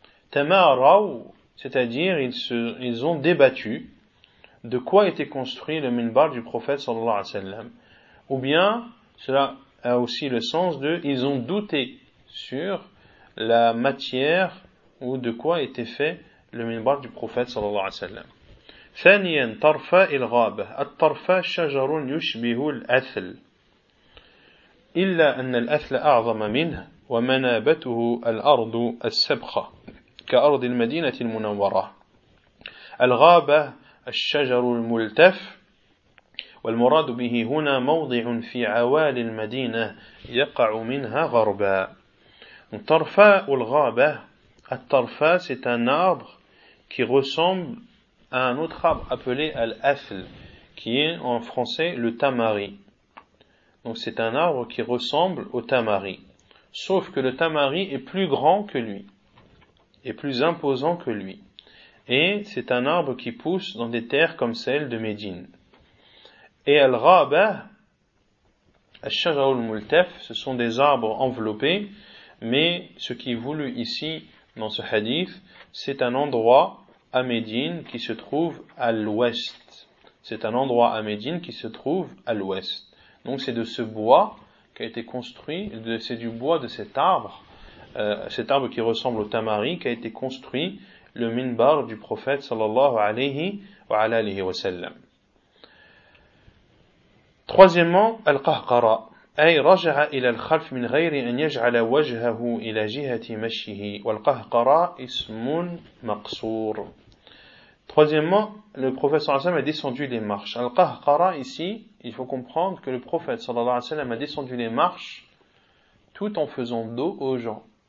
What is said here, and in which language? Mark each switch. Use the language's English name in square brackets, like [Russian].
[French] Tama raw, c'est-à-dire ils ont débattu de quoi était construit le minbar du prophète sallallahu alayhi wa sallam. Ou bien cela a aussi le sens de ils ont douté sur la matière ou de quoi était fait le minbar du prophète sallallahu alayhi wa sallam. [Arabic] ثانيا طرفاء الغابة الطرفاء شجر يشبه الأثل إلا أن الأثل أعظم منه ومنابته الأرض السبخة كأرض المدينة المنورة الغابة الشجر الملتف والمراد به هنا موضع في عوالي المدينة يقع منها غربا طرفاء الغابة الطرفاء [French] c'est un arbre qui ressemble à un autre arbre appelé Al-Athl, qui est en français le tamari. Donc c'est un arbre qui ressemble au tamari. Sauf que le tamari est plus grand que lui, et plus imposant que lui. Et c'est un arbre qui pousse dans des terres comme celle de Médine. Et Al-Ghaba, Al-Shajarul Multaf, ce sont des arbres enveloppés, mais ce qui est voulu ici, dans ce hadith, c'est un endroit à Médine qui se trouve à l'ouest. C'est un endroit à Médine qui se trouve à l'ouest. Donc c'est de ce bois qui a été construit, c'est du bois de cet arbre qui ressemble au tamari, qui a été construit le minbar du prophète sallallahu alayhi wa alayhi wa sallam. Troisièmement, al-qahqara. [Arabic] أي رجع إلى الخلف من غير أن يجعل وجهه إلى جهة مشيه والقهقراء اسم مقصور. [French] Troisièmement, le prophète صلى الله عليه وسلم a descendu les marches. Al-Qahqara ici, il faut comprendre que le prophète صلى الله عليه وسلم a descendu les marches tout en faisant dos aux gens.